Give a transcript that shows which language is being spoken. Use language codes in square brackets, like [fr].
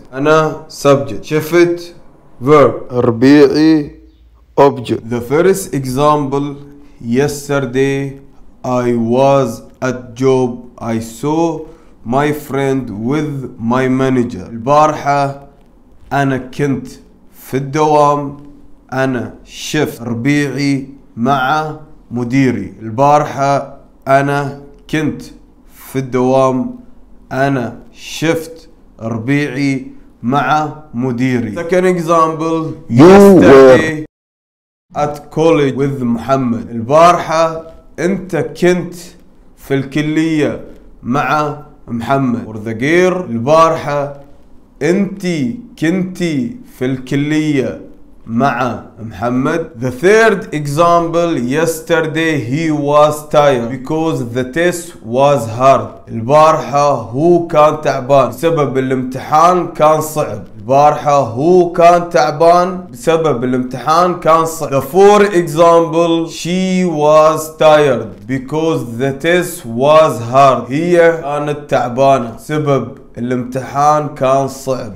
[ar] أنا subject. شفت verb. ربيعي object. [en] The first example. Yesterday I was at job. I saw my friend with my manager. [ar] البارحة أنا كنت في الدوام. أنا شفت ربيعي مع مديري. البارحة أنا كنت في الدوام. أنا شفت ربيعي مع مديري. [en] Second example. Yesterday at college with محمد. [ar] البارحة أنت كنت في الكلية مع محمد. [en] Or the girl. [ar] البارحة أنت كنتي في الكلية مع محمد. [en] The third example. Yesterday he was tired because the test was hard. [ar] البارحة هو كان تعبان بسبب الامتحان كان صعب. البارحة هو كان تعبان بسبب الامتحان كان صعب. [en] The fourth example. She was tired because the test was hard. [ar] هي كانت تعبانة سبب الامتحان كان صعب.